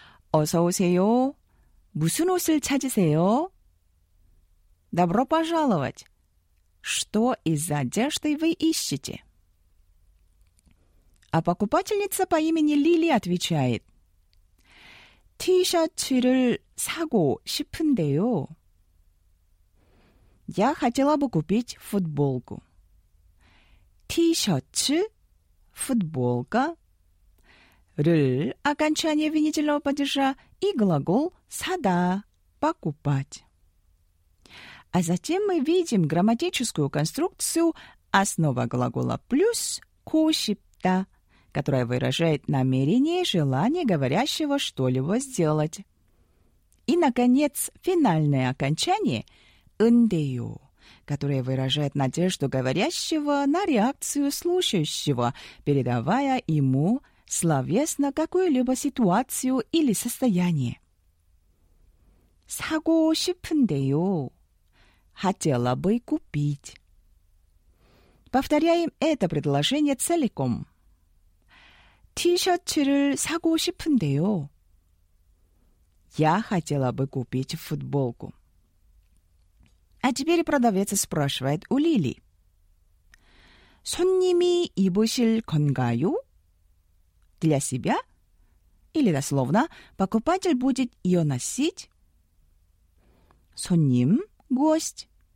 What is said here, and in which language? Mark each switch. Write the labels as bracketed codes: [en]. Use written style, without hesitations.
[ko] 어서 오세요. 무슨 옷을 찾으세요? [ru] Добро пожаловать. Что из одежды вы ищете? А покупательница по имени Лили отвечает. [ko] 티셔츠를 사고 싶은데요. [ru] Я хотела бы купить футболку. Ти-шо-чу – футболка. Р-л – окончание винительного падежа. И глагол сада – покупать. А затем мы видим грамматическую конструкцию основа глагола плюс – кошипта, которая выражает намерение и желание говорящего что-либо сделать. И, наконец, финальное окончание – «ындею», которое выражает надежду говорящего на реакцию слушающего, передавая ему словесно какую-либо ситуацию или состояние. «Саго шипндею» – «хотела бы купить». Повторяем это предложение целиком. [ko] 티셔츠를 사고 싶은데요. [ru] Я хотела бы купить футболку. А теперь продавец спрашивает у Лили. [ko] 손님이 입으실 건가요? [ru] Для себя? Или дословно, покупатель будет ее носить? 손님, гость.